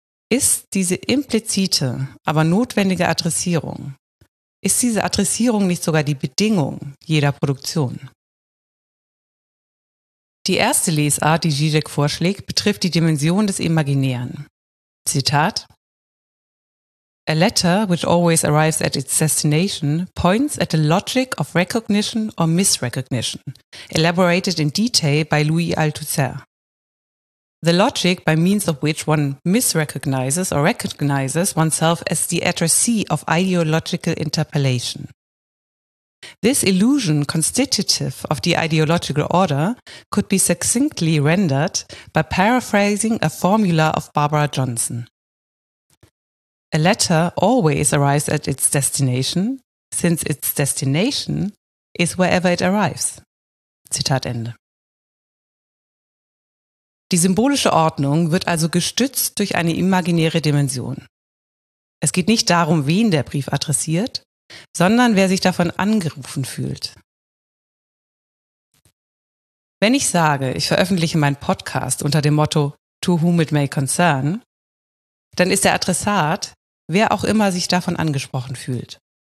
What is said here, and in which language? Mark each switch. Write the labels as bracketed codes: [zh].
[de] Ist diese implizite, aber notwendige Adressierung, ist diese Adressierung nicht sogar die Bedingung jeder Produktion? Die erste Lesart, die Žižek vorschlägt, betrifft die Dimension des Imaginären. Zitat: [en] A letter which always arrives at its destination points at the logic of recognition or misrecognition, elaborated in detail by Louis Althusser. The logic by means of which one misrecognizes or recognizes oneself as the addressee of ideological interpolation. This illusion constitutive of the ideological order could be succinctly rendered by paraphrasing a formula of Barbara Johnson. A letter always arrives at its destination, since its destination is wherever it arrives. [de] Zitat Ende. Die symbolische Ordnung wird also gestützt durch eine imaginäre Dimension. Es geht nicht darum, wen der Brief adressiert, sondern wer sich davon angerufen fühlt. Wenn ich sage, ich veröffentliche meinen Podcast unter dem Motto [en] To Whom It May Concern, [de] dann ist der Adressat, wer auch immer sich davon angesprochen fühlt.